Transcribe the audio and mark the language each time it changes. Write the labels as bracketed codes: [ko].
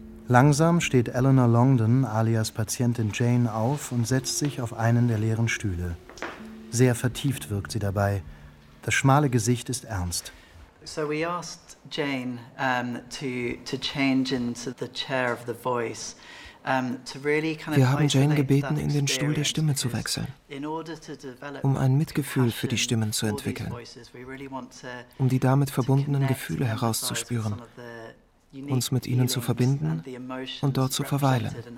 [de] Langsam steht Eleanor Longdon, alias Patientin Jane, auf und setzt sich auf einen der leeren Stühle. Sehr vertieft wirkt sie dabei. Das schmale Gesicht ist ernst. [en] So we asked Jane to change into the chair of the voice. [de] Wir haben Jane gebeten, in den Stuhl der Stimme zu wechseln, um ein Mitgefühl für die Stimmen zu entwickeln, um die damit verbundenen Gefühle herauszuspüren, uns mit ihnen zu verbinden und dort zu verweilen.